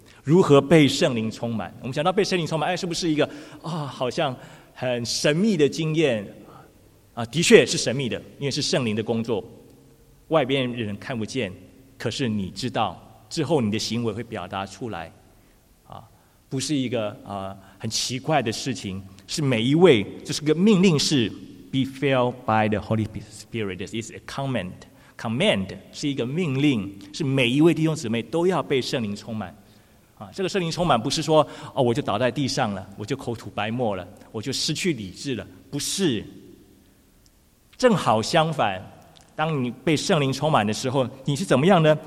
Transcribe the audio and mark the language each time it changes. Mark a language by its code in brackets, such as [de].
[zh] 如何被圣灵充满？我们想到被圣灵充满，哎，是不是一个啊、哦，好像很神秘的经验啊？的确是神秘的，因为是圣灵的工作，外边人看不见，可是你知道之后，你的行为会表达出来啊，不是一个很奇怪的事情，是每一位，这是个命令式。 [en] Be filled by the Holy Spirit. This is a command. [zh] Command 是一个命令，是每一位弟兄姊妹都要被圣灵充满。啊，这个圣灵充满不是说哦，我就倒在地上了，我就口吐白沫了，我就失去理智了，不是。正好相反，当你被圣灵充满的时候，你是怎么样呢？